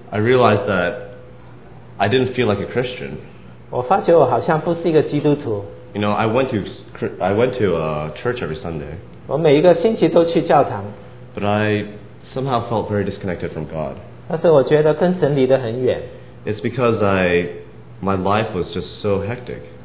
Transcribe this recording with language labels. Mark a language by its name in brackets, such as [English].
[English] I realized that I didn't feel like a Christian. [Chinese] 我发觉我好像不是一个基督徒。 [English] You know, I went to a church every Sunday. [Chinese] 我每一个星期都去教堂。 [English] But I somehow felt very disconnected from God. [Chinese] 但是我觉得跟神离得很远。 [English] It's because my life was just so hectic.